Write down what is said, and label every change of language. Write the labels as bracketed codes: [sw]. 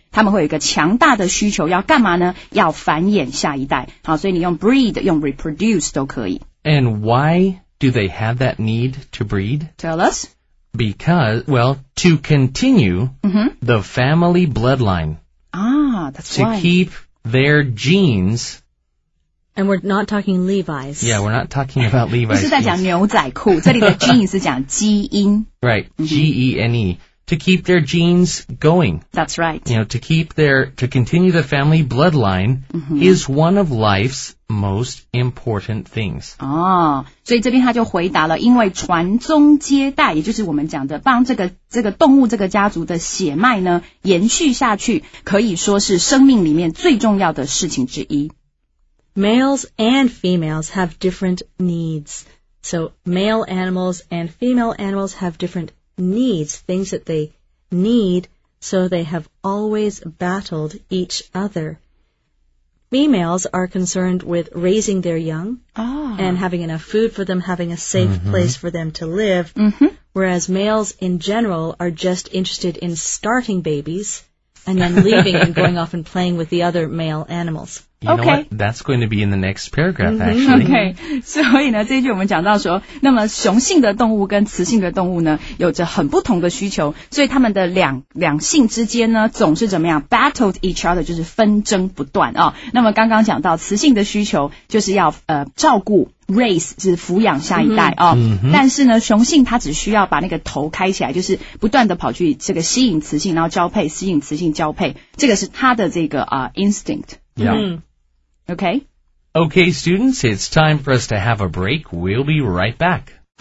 [zh] 他们会有一个强大的需求，要干嘛呢？要繁衍下一代。好，所以你用 breed, 用 reproduce 都可以。 [en] And why do they have that need to breed? Tell us. Because, well, to continue the family bloodline. That's right. To keep their genes. And we're not talking Levi's. Yeah, we're not talking about Levi's. [zh] 是在讲牛仔裤，这里的 gene 是讲基因。 [en] Right, G-E-N-E. To keep their genes going. That's right. You know, to continue the family bloodline is one of life's most important things. 所以这边他就回答了，因为传宗接代，也就是我们讲的帮这个动物这个家族的血脉呢延续下去，可以说是生命里面最重要的事情之一。 Males and females have different needs. So male animals and female animals have different needs, things that they need, so they have always battled each other. Females are concerned with raising their young and having enough food for them, having a safe place for them to live, whereas males in general are just interested in starting babies and then leaving and going off and playing with the other male animals. You know what? That's going to be in the next paragraph, actually. [zh] Okay. 所以呢，这一句我们讲到说，那么雄性的动物跟雌性的动物呢，有着很不同的需求，所以他们的两性之间呢，总是怎么样 ？ [en] Battled each other， [zh] 就是纷争不断啊。那么刚刚讲到雌性的需求，就是要照顾 raise， 就是抚养下一代啊。但是呢，雄性它只需要把那个头开起来，就是不断的跑去这个吸引雌性，然后交配，吸引雌性交配，这个是它的这个instinct。 [en] Yeah. Okay. Okay, students, it's time for us to have a break. We'll be right back.